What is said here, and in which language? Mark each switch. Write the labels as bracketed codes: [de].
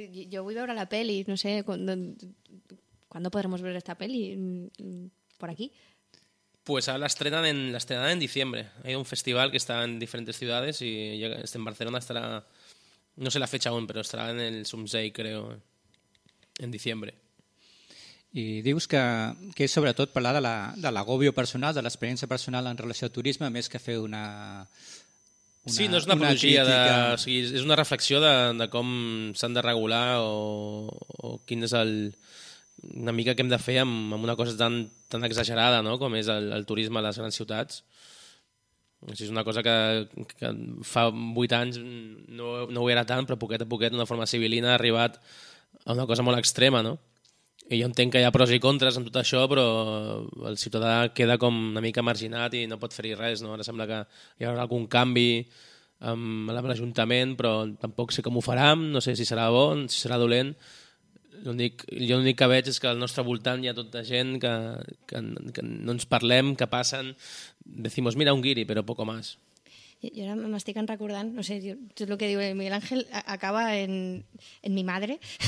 [es] Yo voy a ver la peli, no sé, ¿cuándo podremos ver esta peli? ¿Por aquí? Pues ahora la estrenan en diciembre. Hay un festival que está en diferentes ciudades y en Barcelona estará, no sé la fecha aún, pero estará en el Sumsei, creo, en diciembre. [ca] I dius que és sobretot parlar de l'agobio personal, de l'experiència personal en relació al turisme, més que fer una... Sí, no és una apologia, o sigui, és una reflexió de com s'han de regular o quin és el, una mica que hem de fer amb una cosa tan exagerada, no? Com és el turisme a les grans ciutats. O sigui, és una cosa que fa 8 anys no ho era tant, però poquet a poquet, d'una forma civilina, ha arribat a una cosa molt extrema, no? I jo entenc que hi ha pros i contres en tot això, però el ciutadà queda com una mica marginat i no pot fer-hi res, no? Ara sembla que hi haurà algun canvi amb l'Ajuntament, però tampoc sé com ho faran, no sé si serà bo, si serà dolent. L'únic que veig és que al nostre voltant hi ha tota gent que no ens parlem, que passen, [es] decimos mira un guiri, [ca] però [es] poco más. Yo ahora me estoy recordando, no sé, yo lo que digo, Miguel Ángel acaba en mi madre.